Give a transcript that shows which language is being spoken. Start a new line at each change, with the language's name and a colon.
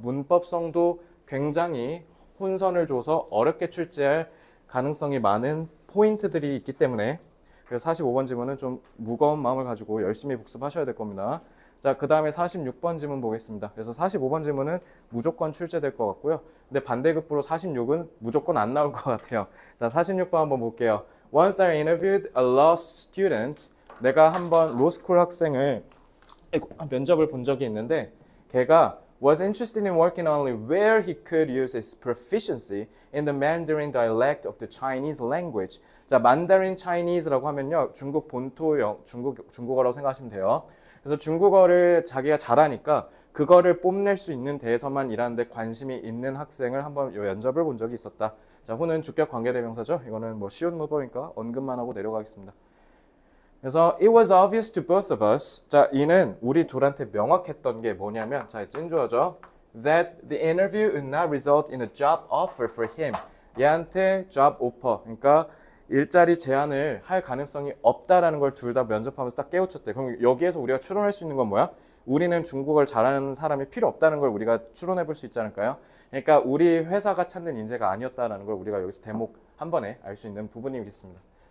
Korean: 문법성도 굉장히 혼선을 줘서 어렵게 출제할 가능성이 많은 포인트들이 있기 때문에 그래서 45번 지문은 좀 무거운 마음을 가지고 열심히 복습하셔야 될 겁니다. 자, 그 다음에 46번 지문 보겠습니다. 그래서 45번 지문은 무조건 출제될 것 같고요. 근데 반대급부로 46은 무조건 안 나올 것 같아요. 자, 46번 한번 볼게요.
English: Once I interviewed a law student,
Korean: 내가 한번 로스쿨 학생을 면접을 본 적이 있는데 걔가
English: was interested in working only where he could use his proficiency in the Mandarin dialect of the Chinese language.
Korean: 자, Mandarin Chinese라고 하면요. 중국 본토형, 중국어라고 생각하시면 돼요. 그래서 중국어를 자기가 잘하니까 그거를 뽐낼 수 있는 데에서만 일하는데 관심이 있는 학생을 한번 면접을 본 적이 있었다. 자, who는 주격 관계대명사죠. 이거는 뭐 쉬운 문법이니까 언급만 하고 내려가겠습니다. 그래서
English: it was obvious to both of us.
Korean: 자, 이는 우리 둘한테 명확했던 게 뭐냐면, 자, 찐주어죠.
English: That the interview would not result in a job offer for him.
Korean: 얘한테
English: job offer.
Korean: 그러니까 일자리 제안을 할 가능성이 없다라는 걸둘다 면접하면서 딱 깨우쳤대. 그럼 여기에서 우리가 추론할 수 있는 건 뭐야? 우리는 중국어를 잘하는 사람이 필요 없다는 걸 우리가 추론해 볼수 있지 않을까요? 그러니까 우리 회사가 찾는 인재가 아니었다라는 걸 우리가 여기서 대목 한 번에 알수 있는 부분이겠습니다.